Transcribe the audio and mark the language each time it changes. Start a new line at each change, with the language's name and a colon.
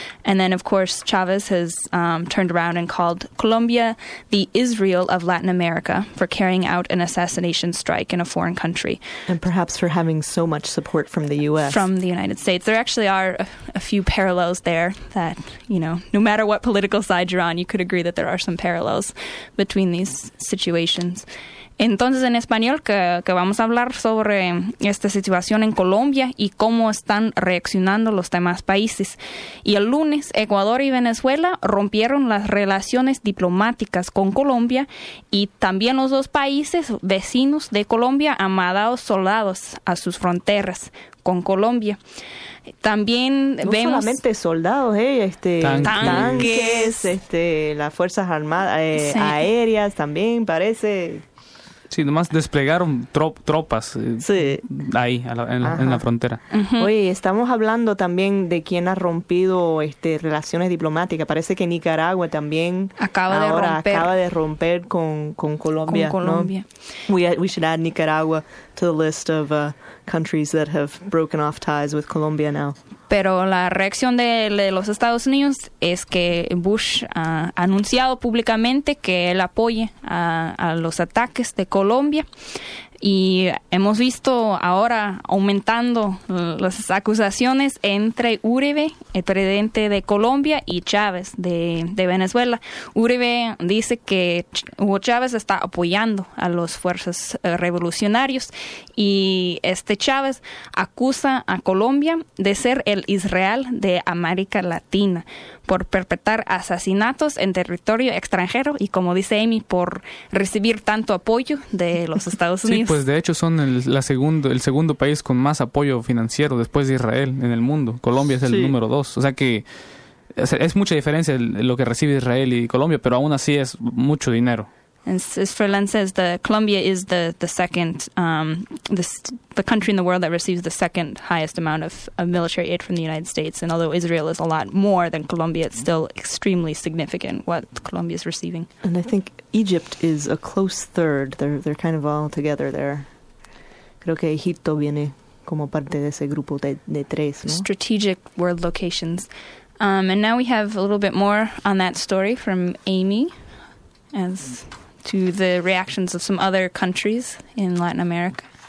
English: And then, of course, Chavez has turned around and called Colombia the Israel of Latin America for carrying out an assassination strike in a foreign country. And perhaps for having so much support from the U.S. From the United States. There actually are a few parallels there that, you know, no matter what political side you're on, you could agree that there are some parallels between these situations.
Spanish: Entonces, en español, que vamos a hablar sobre esta situación en Colombia y cómo están reaccionando los demás países. Y el lunes, Ecuador y Venezuela rompieron las relaciones diplomáticas con Colombia y también los dos países vecinos de Colombia han mandado soldados a sus fronteras con Colombia. También no vemos... No solamente soldados, tanques, las fuerzas armadas, sí, aéreas también, parece... Sí, nomás desplegaron tropas sí, ahí, en la frontera. Uh-huh. Oye, estamos hablando también de quién ha rompido relaciones diplomáticas. Parece que Nicaragua también acaba de romper con Colombia. Con Colombia. ¿No?
English: We should add Nicaragua to the list of countries that have broken off ties with Colombia now.
Spanish: Pero la reacción de los Estados Unidos es que Bush ha anunciado públicamente que él apoya a los ataques de Colombia. Y hemos visto ahora aumentando las acusaciones entre Uribe, el presidente de Colombia, y Chávez de Venezuela. Uribe dice que Hugo Chávez está apoyando a los fuerzas revolucionarios, y este Chávez acusa a Colombia de ser el Israel de América Latina por perpetrar asesinatos en territorio extranjero y, como dice Amy, por recibir tanto apoyo de los Estados Unidos. Sí, pues de hecho son el segundo país con más apoyo financiero después de Israel en el mundo. Colombia es el número dos. O sea que es mucha diferencia lo que recibe Israel y Colombia, pero aún así es mucho dinero.
English: As Ferland says, Colombia is the second, the country in the world that receives the second highest amount of military aid from the United States. And although Israel is a lot more than Colombia, it's still extremely significant what Colombia is receiving. And I think Egypt is a close third. They're kind of all together there.
Spanish: Creo que Egipto viene como parte de ese grupo de tres, ¿no?
English: Strategic world locations. And now we have a little bit more on that story from Amy, as to the reactions of some other countries in Latin America.